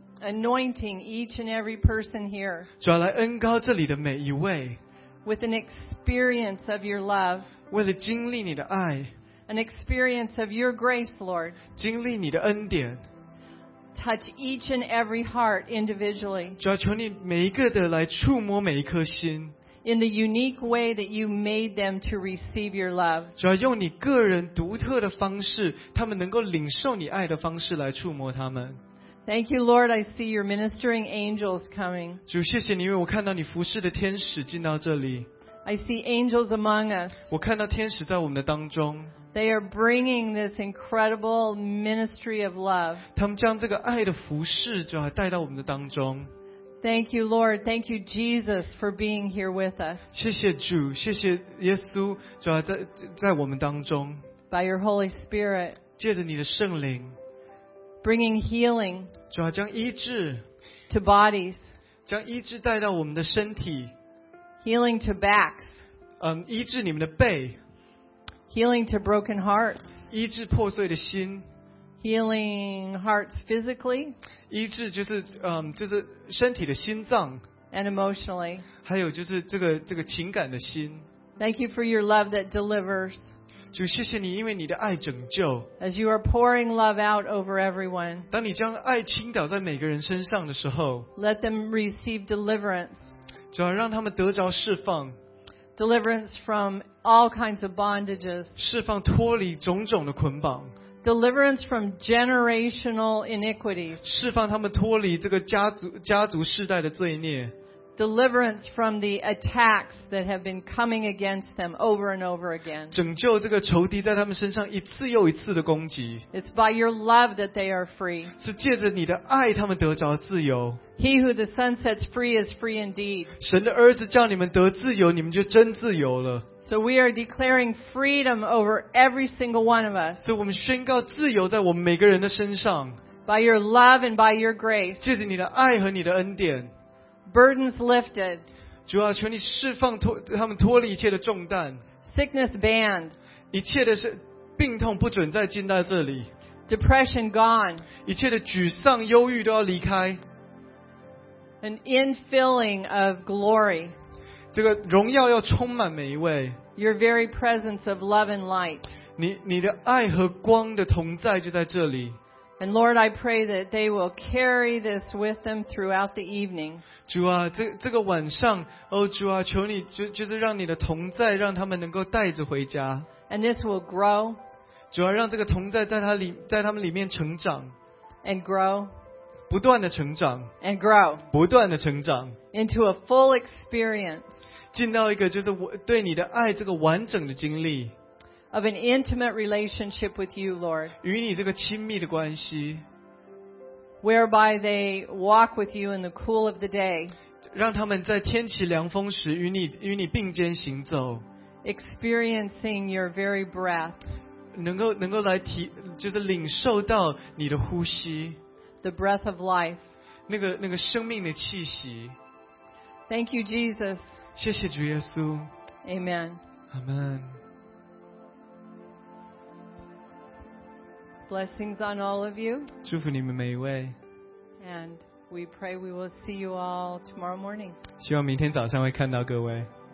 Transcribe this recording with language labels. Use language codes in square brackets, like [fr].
[en] Anointing each and every person here. [zh] 主啊，来恩膏这里的每一位。 [en] With an experience of your love. [zh] 为了经历你的爱。 [en] An experience of your grace, Lord. [zh] 经历你的恩典。 [en] Touch each and every heart individually. [zh] 主啊，求你每一个的来触摸每一颗心。 [en] In the unique way that you made them to receive your love. [zh] 主啊，用你个人独特的方式，他们能够领受你爱的方式来触摸他们。 [en] Thank you, Lord. I see your ministering angels coming. [zh] 主，谢谢你，因为我看到你服事的天使进到这里。 [en] I see angels among us. [zh] 我看到天使在我们的当中。 [en] They are bringing this incredible ministry of love. [zh] 他们将这个爱的服事就要带到我们的当中。 [en] Thank you, Lord. Thank you, Jesus, for being here with us. [zh] 谢谢主，谢谢耶稣，就要在我们当中。 [en] By your Holy Spirit. [zh] 借着你的圣灵。 [en] Bringing healing. [zh] 就要将医治。 [en] To bodies. [zh] 将医治带到我们的身体。 [en] Healing to backs. [zh] 医治你们的背。 [en] Healing to broken hearts. [zh] 医治破碎的心。 [en] Healing hearts physically. [zh] 医治就是身体的心脏。 [en] And emotionally. [zh] 还有就是这个情感的心。 [en] Thank you for your love that delivers. [zh] 主谢谢你，因为你的爱拯救。 [en] As you are pouring love out over everyone， [zh] 当你将爱倾倒在每个人身上的时候 [en] ，Let them receive deliverance， [zh] 主要让他们得着释放 [en] ，Deliverance from all kinds of bondages， [zh] 释放脱离种种的捆绑 [en] ，Deliverance from generational iniquities， [zh] 释放他们脱离这个家族世代的罪孽。 [en] Deliverance from the attacks that have been coming against them over and over again. [zh] 拯救这个仇敌在他们身上一次又一次的攻击。 [en] It's by your love that they are free. [zh] 是借着你的爱，他们得着自由。 [en] He who the Son sets free is free indeed. [zh] 神的儿子叫你们得自由，你们就真自由了。 [en] So we are declaring freedom over every single one of us. [zh] 所以我们宣告自由在我们每个人的身上。 [en] By your love and by your grace. [zh] 借着你的爱和你的恩典。 [en] Burdens lifted. [zh] 主啊，求你释放他们脱离一切的重担。 [en] Sickness banned. [zh] 一切的病痛不准再进到这里。 [en] Depression gone. [zh] 一切的沮丧、忧郁都要离开。 [en] An infilling of glory. [zh] 这个荣耀要充满每一位。 [en] Your very presence of love and light. [zh] 你的爱和光的同在就在这里。 [en] And Lord, I pray that they will carry this with them throughout the evening. [zh] 主啊，这个晚上，哦，主啊，求你就是让你的同在，让他们能够带着回家。 [en] And this will grow. [zh] 主啊，让这个同在在他们里面成长。 [en] And grow. [zh] 不断的成长。 [en] And grow. [zh] 不断的成长。 [en] Into a full experience. [zh] 进到一个就是对你的爱这个完整的经历。 [en] Of an intimate relationship with you, Lord. [zh] 与你这个亲密的关系。 [en] Whereby they walk with you in the cool of the day. [zh] 让他们在天气凉风时与你并肩行走。 [en] Experiencing your very breath. [zh] 能够来体就是领受到你的呼吸。 [en] The breath of life. [zh] 那个生命的气息。 [en] Thank you, Jesus. [zh] 谢谢主耶稣。 [en] Amen. Amen. Blessings on all of you. [zh] 祝福你们每一位。 [en] And we pray we will see you all tomorrow morning. [zh] 希望明天早上会看到各位。